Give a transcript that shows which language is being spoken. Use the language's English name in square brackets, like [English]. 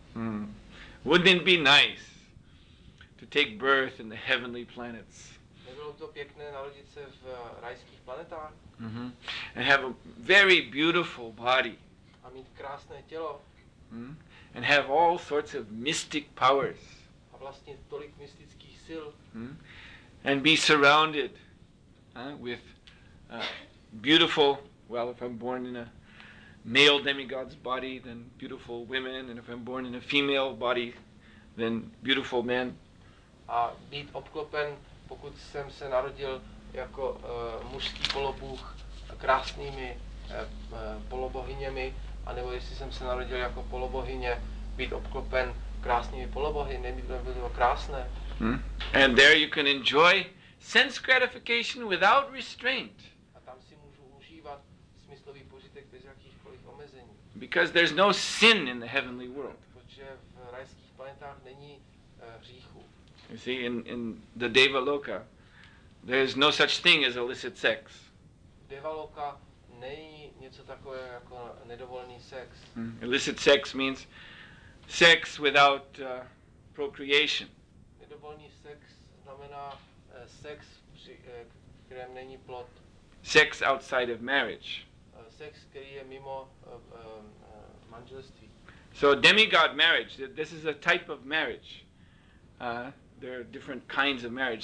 [English] Hmm. Wouldn't it be nice to take birth in the heavenly planets? [Czech] Nebylo to pěkné narodit se v rajských planetách? [English] Mm-hmm. And have a very beautiful body. [Czech] A mít krásné tělo. [English] Mm-hmm. And have all sorts of mystic powers. [Czech] A vlastně tolik mystických sil. Mm-hmm. [English] And be surrounded with beautiful, well, if I'm born in a male demigod's body, then beautiful women, and if I'm born in a female body, then beautiful men. [Czech] A být obklopen, pokud jsem se narodil jako mužský polobůh, krásnými polobohyněmi, anebo jestli jsem se narodil jako polobohyně, být obklopen krásnými polobohy, nebylo to krásné. Hmm. [English] And there you can enjoy sense gratification without restraint. [Czech] A tam si můžu užívat smyslový požitek bez jakýchkoliv omezení. [English] Because there's no sin in the heavenly world. [Czech] Protože v rajských planetách není hříchu. [English] You see, in the Devaloka, there is no such thing as illicit sex. [Czech] Devaloka není něco takového jako nedovolený sex. [English] Mm. Illicit sex means sex without procreation. [Czech] Nedovolený sex znamená sex, při kterém není plod. [English] Sex outside of marriage. [Czech] Sex, který je mimo manželství. [English] So demigod marriage, this is a type of marriage. There are different kinds of marriage.